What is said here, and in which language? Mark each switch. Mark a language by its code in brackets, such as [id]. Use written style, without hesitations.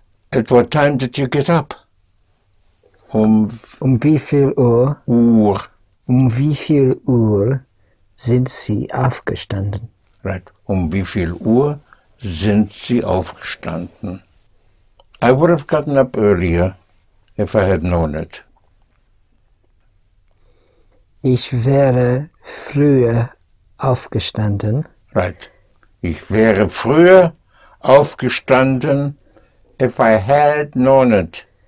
[en] At what time did you get up? [de] Um wie viel Uhr? Uhr. Um wie viel Uhr sind Sie aufgestanden? [en] Right. [de] Um wie viel Uhr sind Sie aufgestanden? [en] I would have gotten up earlier if I had known it. [de] Ich wäre früher aufgestanden. [en] Right. [de] Ich wäre früher aufgestanden, [en] if I had known it.